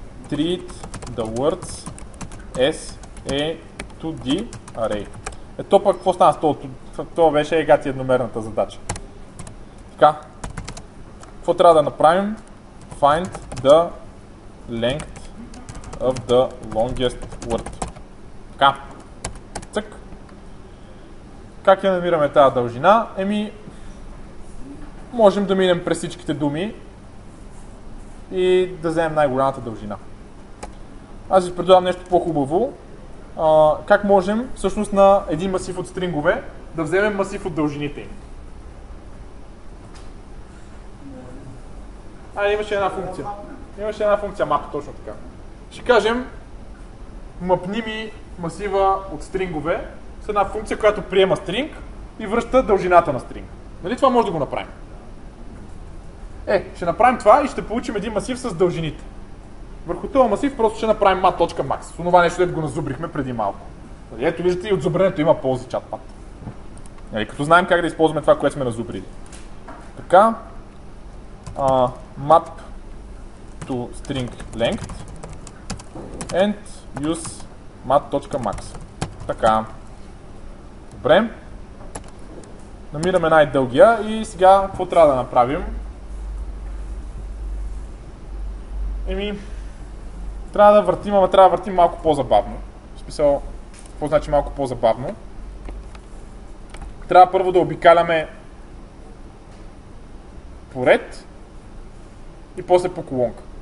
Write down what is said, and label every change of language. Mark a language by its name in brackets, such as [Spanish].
[English] Treat the words as a 2D array. [Bulgarian] Ето пък, какво стана с това? Това беше егати едномерната задача. Така. Какво трябва да направим? [English] Find the length of the longest word. [Bulgarian] Така. Цък. Как я намираме тази дължина? Еми, можем да минем през всичките думи и да вземем най-голямата дължина. Аз ви предлагам нещо по-хубаво. Как можем всъщност на един масив от стрингове да вземем масив от дължините им? А, имаше една функция. Имаше една функция map, точно така. Ще кажем, мъпни ми масива от стрингове с една функция, която приема стринг и връща дължината на стринг. Нали това може да го направим? Е, ще направим това и ще получим един масив с дължините. Върху този масив просто ще направим mat.max. С това нещо, което го назубрихме преди малко. Ето виждате, и от зубренето има ползи чатпад. Нали, като знаем как да използваме това, което сме назубрили. [English] Така, map to string length and use mat.max. [Bulgarian] Така. Добре. Намираме най-дългия и сега какво трябва да направим? Еми, трябва да въртим, ама трябва да въртим малко по-забавно. В смисъл, какво значи малко по-забавно? Трябва първо да обикаляме по ред и после по колонка.